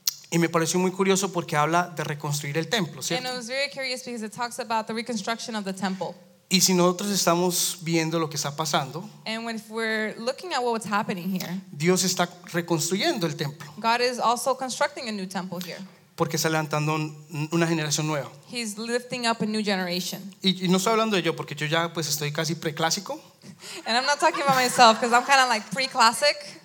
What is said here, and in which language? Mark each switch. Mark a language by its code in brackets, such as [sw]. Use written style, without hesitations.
[es] Y me pareció muy curioso porque habla de reconstruir el templo, ¿cierto? [en] And it was very curious because it talks about the reconstruction of the temple. [es] Y si nosotros estamos viendo lo que está pasando, [en] and if we're looking at what's happening here, [es] Dios está reconstruyendo el templo. [en] God is also constructing a new temple here. [es] Porque está levantando una generación nueva. [en] He's lifting up a new generation. [es] Y no estoy hablando de yo porque yo ya pues estoy casi preclásico. [en] And I'm not talking about myself because I'm kind of like pre-classic.